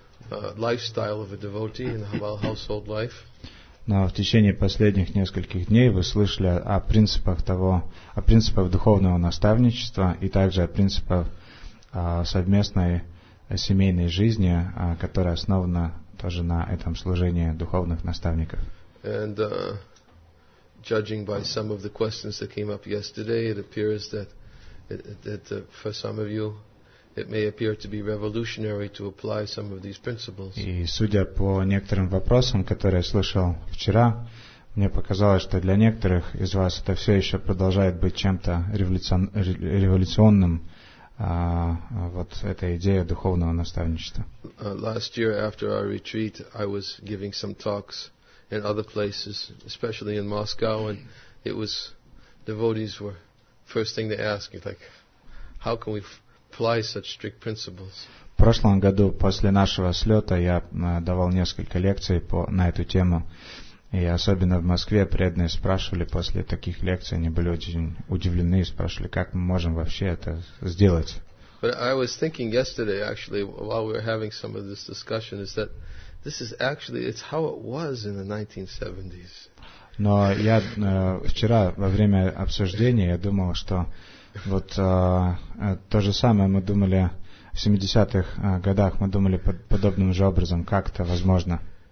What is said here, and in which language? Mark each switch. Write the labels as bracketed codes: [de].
[ru] Но в течение последних нескольких дней вы слышали о принципах духовного наставничества и также о принципах совместной семейной жизни, которая основана тоже на этом служении духовных наставников. [en] And judging by some of the questions that came up yesterday, it appears that for some of you it may appear to be revolutionary to apply some of these principles. [ru] И судя по некоторым вопросам, которые я слышал вчера, мне показалось, что для некоторых из вас это все еще продолжает быть чем-то революционным, вот эта идея духовного наставничества. [en] Last year after our retreat, I was giving some talks in other places, especially in Moscow, and it was devotees were first thing they asked, like, how can we apply such strict principles. [ru] В прошлом году после нашего слета я давал несколько лекций на эту тему, и особенно в Москве преданные спрашивали после таких лекций, они были очень удивлены и спрашивали, как мы можем вообще это сделать. [en] But I was thinking yesterday, actually, while we were having some of this discussion, is that this is actually it's how it was in the 1970s. [ru] Но я вчера во время обсуждения я думал, что вот то же самое мы думали в 70-х годах, мы думали подобным же образом, как это возможно.